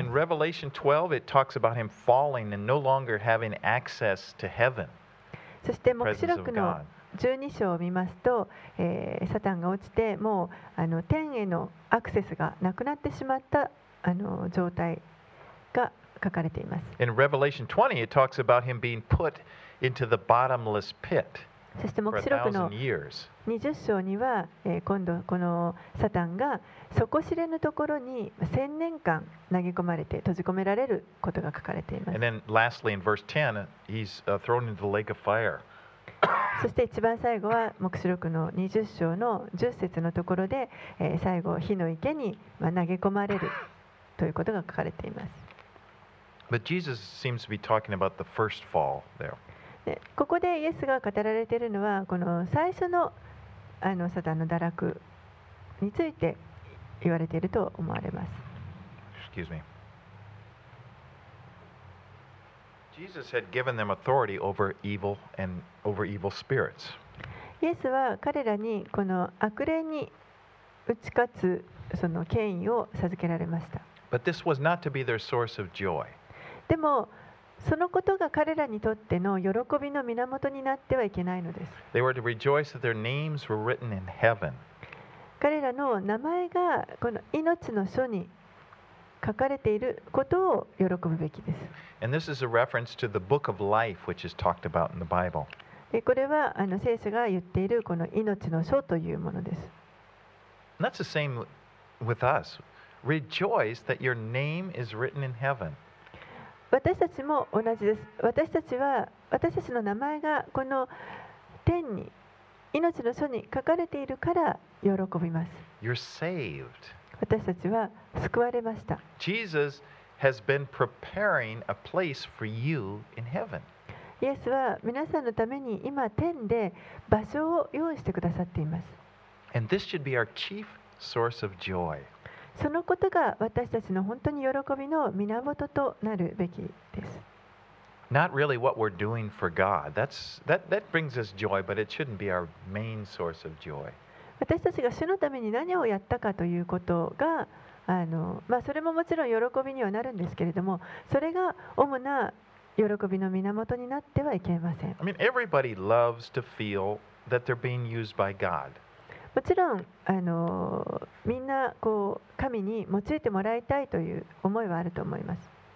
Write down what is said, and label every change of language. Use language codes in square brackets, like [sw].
[en] And in Revelation 12 it talks about him falling and no longer having access to heaven. [ja] そして黙示録の12章を見ますと、サタンが落ちてもう天へのアクセスがなくなってしまった状態が書かれています。 [en] In Revelation 20 it talks about him being putInto the bottomless pit for a thousand years. [ja] 20章には、今度このサタンが底知れぬところに千年間投げ込まれて閉じ込められることが書かれています。 [en] And then lastly in verse 10, he's thrown into the lake of fire. [ja] そして一番最後は黙示録の20章の10節のところで、最後火の池に投げ込まれるということが書かれています。 [en] But Jesus seems to be talking about the first fall there. [ja] ここでイエスが語られているのはこの最初 の, サタンの堕落について言われていると思われます。 [en] Excuse me. Jesus had given them authority over evil and over evil spirits. [ja] イエスは彼らにこの悪霊に打ち勝つその権威を授けられました。 [en] But this was not to be their source of joy. [ja] でもそのことが彼らにとっての喜びの源になってはいけないのです。 [en] They were to rejoice that their names were written in heaven. [ja] 彼らの名前がこの命の書に書かれていることを喜ぶべきです。 [en] And this is a reference to the book of life, which is talked about in the Bible. [ja] これは聖書が言っているこの命の書というものです。 [en] And that's the same with us. Rejoice that your name is written in heaven. [ja] 私たちも同じです。私たちの名前がこの天に命の書に書かれているから喜びます。 [en] You're saved. [ja] 私たちは救われました。 [en] Jesus has been preparing a place for you in heaven. [ja] イエスは皆さんのために今天で場所を用意してくださっています。 [en] And this should be our chief source of joy. [ja] そのことが私たちの本当に喜びの源となるべきです。 [en] Not really what we're doing for God. That brings us joy, but it shouldn't be our main source of joy. [ja] 私たちが主のために何をやったかということが、それももちろん喜びにはなるんですけれども、それが主な喜びの源になってはいけません。 [en] I mean, everybody loves to feel that they're being used by God. [ja] もちろんみんなこう神に用いてもらいたいという思いはあると思います。